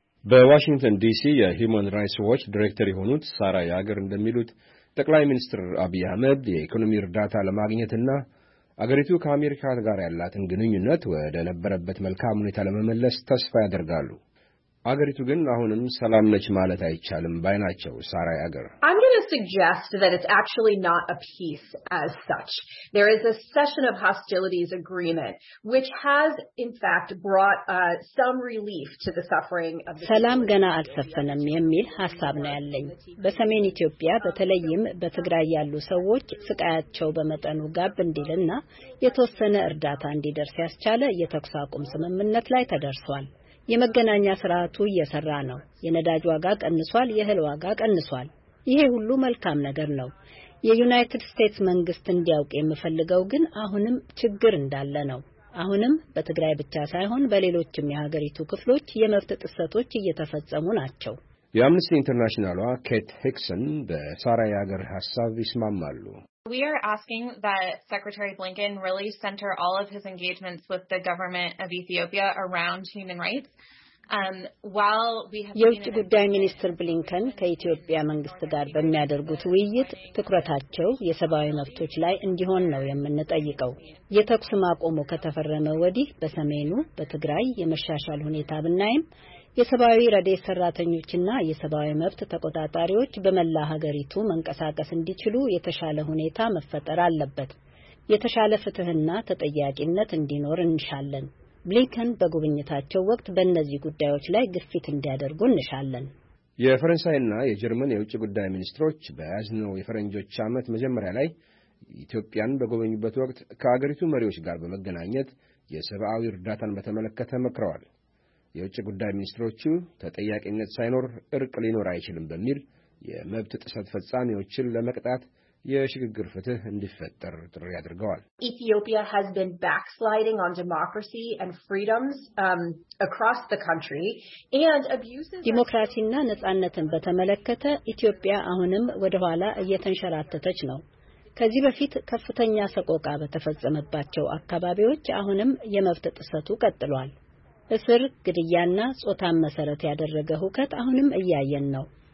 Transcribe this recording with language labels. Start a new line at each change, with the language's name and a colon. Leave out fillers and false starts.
Amharic: በዋሽንግተን ዲሲ የሂዩማን ራይትስ ዎች ዳይሬክተር የሆኑት ሳራ ያገር እንደሚሉት ጠቅላይ ሚኒስትር አብይ አህመድ የኢኮኖሚ እርዳታ ለማግኘትና አገሪቱ ከአሜሪካ ጋር ያላትን ግንኙነት ወደ ነበረበት መልካም ሁኔታ ለመመለስ ተስፋ ያደርጋሉ። አገሪቱ ግን አሁንም ሰላም ነች ማለት አይቻልም ባይ ናቸው ሳራ ያገር።
English: I'm going to suggest that it's actually not a peace as such. There is a cessation of hostilities agreement which has in fact brought some relief to the suffering of the
Amharic: ሰላም ገና አልሰፈነም የሚል ሐሳብ ነው ያለኝ። በሰሜን ኢትዮጵያ በተለይም በትግራይ ያሉ ሰዎች ስቃያቸው በመጠኑ ጋብ እንዲልና የተወሰነ እርዳታ እንዲደርስ ያስቻለ የተኩስ አቁም ስምምነት ላይ ተደርሷል። የመገናኛ ስርዓቱ እየሰራ ነው። የነዳጅ ዋጋ ቀንሷል፣ የህል ዋጋ ቀንሷል። ይሄ ሁሉ መልካም ነገር ነው። የዩናይትድ ስቴትስ መንግስት እንዲያውቅ የምፈልገው ግን አሁንም ችግር እንዳለ ነው። አሁንም በትግራይ ብቻ ሳይሆን በሌሎችም የሀገሪቱ ክፍሎች የመፍት ጥሰቶች እየተፈጸሙ ናቸው። የአምነስቲ ኢንተርናሽናሏ ኬት ሂክሰን በሳራ ያገር ሐሳብ ይስማማሉ።
English: We are asking that Secretary Blinken really center all of his engagements with the government of Ethiopia around human rights.
Amharic: የውጭ ጉዳይ ሚኒስትር ብሊንከን ከኢትዮጵያ መንግስት ጋር በሚያደርጉት ውይይት ትኩረታቸው የሰብአዊ መብቶች ላይ እንዲሆን ነው የምንጠይቀው። የተኩስ ማቆም ከተፈረመ ወዲህ በሰሜኑ በትግራይ የመሻሻል ሁኔታ ብናይም የሰብአዊ ረድኤት ሰራተኞችና የሰብአዊ መብት ተቆጣጣሪዎች በመላ ሀገሪቱ መንቀሳቀስ እንዲችሉ የተሻለ ሁኔታ መፈጠር አለበት። የተሻለ ፍትህና ተጠያቂነት እንዲኖር እንሻለን። ብሊንከን በጉብኝታቸው ወቅት በእነዚህ ጉዳዮች ላይ ግፊት እንዲያደርጉ እንሻለን። የፈረንሳይና የጀርመን የውጭ ጉዳይ ሚኒስትሮች በያዝነው የፈረንጆች ዓመት መጀመሪያ ላይ ኢትዮጵያን በጎበኙበት ወቅት ከአገሪቱ መሪዎች ጋር በመገናኘት የሰብአዊ እርዳታን በተመለከተ መክረዋል። የውጭ ጉዳይ ሚኒስትሮቹ ተጠያቂነት ሳይኖር እርቅ ሊኖር አይችልም በሚል የመብት ጥሰት ፈጻሚዎችን ለመቅጣት የሽግግር ፍትህ እንዲፈጠር ጥሪ አድርገዋል።
English: Ethiopia has been backsliding on democracy and freedoms across the country and abuses
Amharic: ዲሞክራሲና ነጻነትን በተመለከተ ኢትዮጵያ አሁንም ወደ ኋላ እየተንሸራተተች ነው። ከዚህ በፊት ከፍተኛ ሰቆቃ በተፈጸመባቸው አካባቢዎች አሁንም የመብት ጥሰቱ ቀጥሏል። እስር፣ ግድያና ጾታን መሰረት ያደረገ ሁከት አሁንም እያየን ነው።